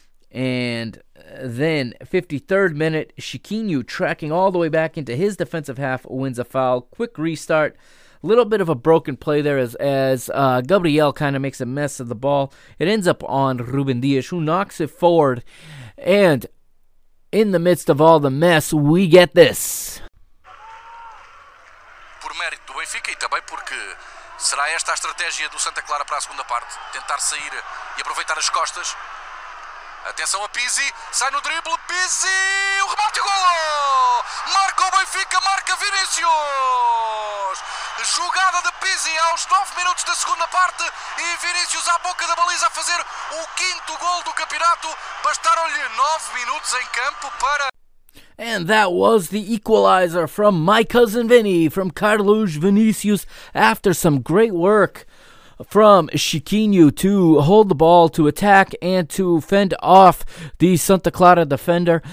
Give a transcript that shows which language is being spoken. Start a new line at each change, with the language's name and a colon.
English: And then 53rd minute, Chiquinho tracking all the way back into his defensive half, wins a foul. Quick restart. A little bit of a broken play there as Gabriel kind of makes a mess of the ball. It ends up on Ruben Dias, who knocks it forward. And in the midst of all the mess, we get this.
Portuguese: Por mérito do Benfica e também porque será esta a estratégia do Santa Clara para a segunda parte. Tentar sair e aproveitar as costas. Atenção a Pizzi, sai no drible, Pizzi, o rebote e o golo! Marca o Benfica, marca Vinícius! Jogada de Pizzi aos 9 minutos da segunda parte e Vinícius à boca da baliza a fazer o quinto gol do campeonato. Bastaram-lhe 9 minutos em campo para...
English: And that was the equalizer from my cousin Vinny, from Carlos Vinícius, after some great work from Chiquinho to hold the ball, to attack, and to fend off the Santa Clara defender.